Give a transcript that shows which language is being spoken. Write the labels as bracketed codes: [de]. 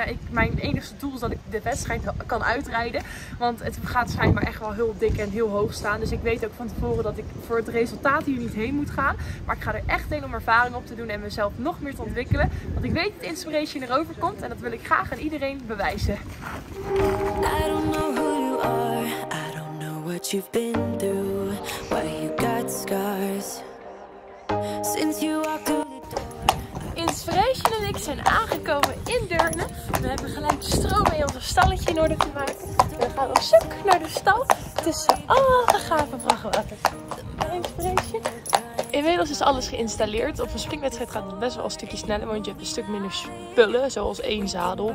[nl] Mijn enigste doel is dat ik de wedstrijd kan uitrijden. Want het gaat schijnbaar echt wel heel dik en heel hoog staan. Dus ik weet ook van tevoren dat ik voor het resultaat hier niet heen moet gaan. Maar ik ga er echt heen om ervaring op te doen en mezelf nog meer te ontwikkelen. Want ik weet dat Inspiration erover komt en dat wil ik graag aan iedereen bewijzen. [en] I don't know who you are. I don't know what you've been through. Why you got scars. Since you walked through. [nl] Inspiration en ik zijn aangekomen in Deurne. We hebben gelijk stroom in onze stalletje in orde gemaakt. We gaan op zoek naar de stal tussen alle gave brachtwater. Inspiration. Inmiddels is alles geïnstalleerd. Op een springwedstrijd gaat het best wel een stukje sneller, want je hebt een stuk minder spullen, zoals één zadel.